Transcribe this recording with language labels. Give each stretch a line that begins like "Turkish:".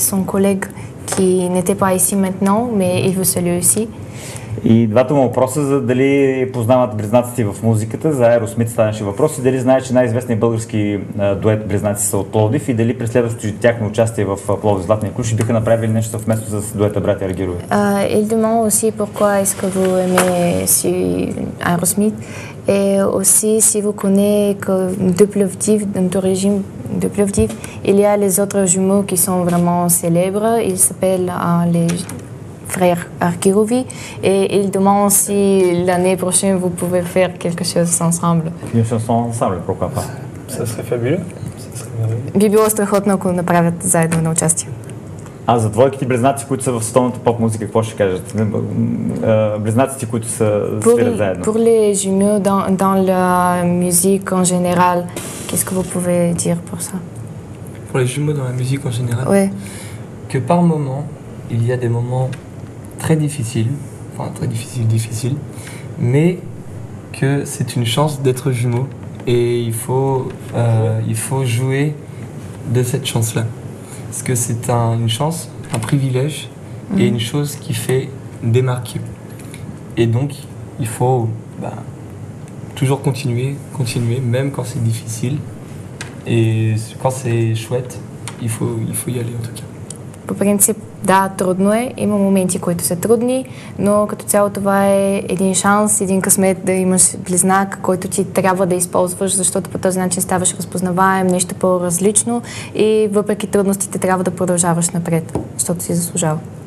Bulgarian: Съм колег, ки не те па иси метно, ме и в Салюси. И двата му въпроса за дали познават близнаците в музиката, за Aerosmith станеше въпрос и дали знае, че най-известният български дует близнаци са от Пловдив и дали през следващото тяхно участие в Пловдив Златния ключ биха направили нещо съвместно с дуета братя Аргирови.
French: Il demande aussi pourquoi est-ce que vous aimez Aerosmith. Et aussi, si vous connaissez que de Plovdiv, d'origine de Plovdiv, il y a les autres jumeaux qui sont vraiment célèbres. Ils s'appellent les frères Arkirovi. Et ils demandent si l'année prochaine, vous pouvez faire quelque chose ensemble. Une chanson ensemble, pourquoi pas? Ça serait fabuleux.
Bulgarian: Би било страхотно, ако направят заедно на участие. А за двойките близнаци, които са в световната поп музика, какво ще кажат? Близнаците, които са свирят заедно.
French: Pour les jumeaux dans la musique en général, qu'est-ce que vous pouvez dire pour ça? Pour les jumeaux dans la musique en général? Ouais. Que par moment, il y a des moments très difficiles, enfin très difficiles, mais que c'est une chance d'être jumeaux et il faut jouer de cette chance-là. parce que c'est une chance, un privilège et une chose qui fait démarquer. Et donc, il faut toujours continuer, même quand c'est difficile. Et quand c'est chouette, il faut y aller en tout cas.
Bulgarian: По принцип, да, трудно е. Има моменти, които са трудни, но като цяло това е един шанс, един късмет да имаш близнак, който ти трябва да използваш, защото по този начин ставаш разпознаваем, нещо по-различно и въпреки трудностите трябва да продължаваш напред, защото си заслужава.